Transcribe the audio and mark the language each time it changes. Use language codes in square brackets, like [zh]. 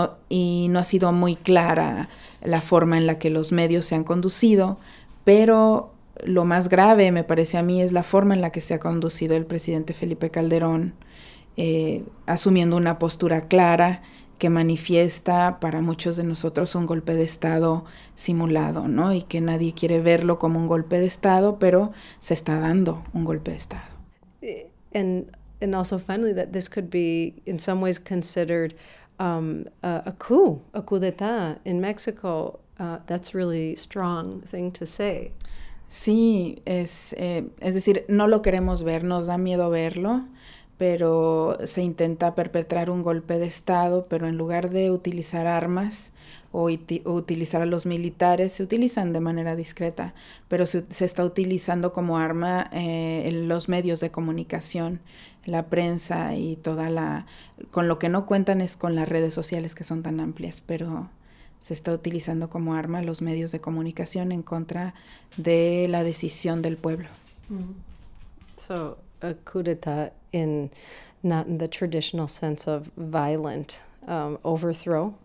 [es] Y no ha sido muy clara la forma en la que los medios se han conducido, pero lo más grave, me parece a mí, es la forma en la que se ha conducido el presidente Felipe Calderón, asumiendo una postura clara que manifiesta para muchos de nosotros un golpe de Estado simulado, ¿no? Y que nadie quiere verlo como un golpe de Estado, pero se está dando un golpe de Estado. [en] And also, finally, that this could be in some ways considered a coup d'etat in Mexico. That's really strong thing to say. [es] Sí, es decir, no lo queremos ver, nos da miedo verlo, pero se intenta perpetrar un golpe de Estado, pero en lugar de utilizar armas o utilizar a los militares, se utilizan de manera discreta, pero se está utilizando como arma en los medios de comunicación, la prensa y toda la... Con lo que no cuentan es con las redes sociales, que son tan amplias, pero se está utilizando como arma los medios de comunicación en contra de la decisión del pueblo. Mm-hmm. [en] So, a coup d'etat in not in the traditional sense of violent overthrow.